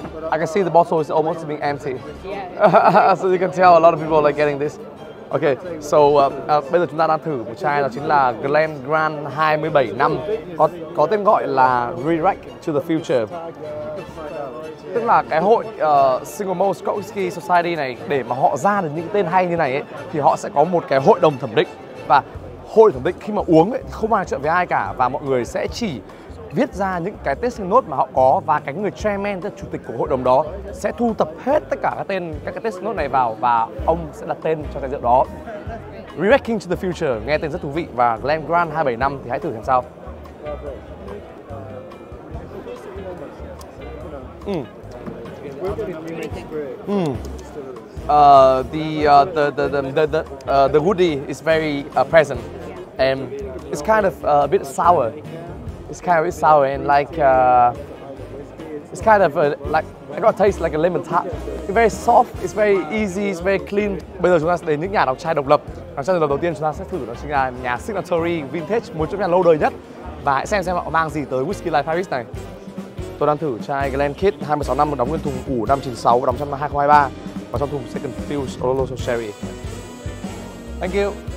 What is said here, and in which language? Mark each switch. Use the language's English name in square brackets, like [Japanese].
[English] I can see the bottle is almost being empty. So you can tell a lot of people are like getting this. [Vietnamese] Okay, so bây giờ chúng ta đang thử một chai, đó chính là Glenlivet 27 năm, có tên gọi là Redirect to the Future. Tức là cái hội Single Malt Scotch Whisky Society này, để mà họ ra được những tên hay như này ấy, thì họ sẽ có một cái hội đồng thẩm định. Và hội thẩm định khi mà uống ấy, không ai chuyện với ai cả, và mọi người sẽ chỉ viết ra những cái tasting note mà họ có, và cái người chairman, tức là chủ tịch của hội đồng đó, sẽ thu thập hết tất cả các tên, các cái tasting note này vào, và ông sẽ đặt tên cho cái rượu đó. Redirecting to the Future nghe tên rất thú vị, và Glenlivet 27 năm thì hãy thử xem sao. [English] The woody is very present, and it's kind of a bit sour. It's kind of sour and like it's kind of like I got a taste like a lemon tart. It's very soft, it's very easy, it's very clean. [Vietnamese] Bây giờ chúng ta sẽ đến những nhà đóng chai độc lập. Đóng chai độc lập đầu tiên chúng ta sẽ thử, đó chính là nhà Signatory Vintage, một trong nhà lâu đời nhất, và hãy xem họ mang gì tới Whisky Live Paris này. Tôi đang thử chai Glenkit 26 năm, đóng nguyên thùng ủ 596 và đóng trong năm 2023, và trong thùng Second Fill Oloroso Sherry. [English] Thank you.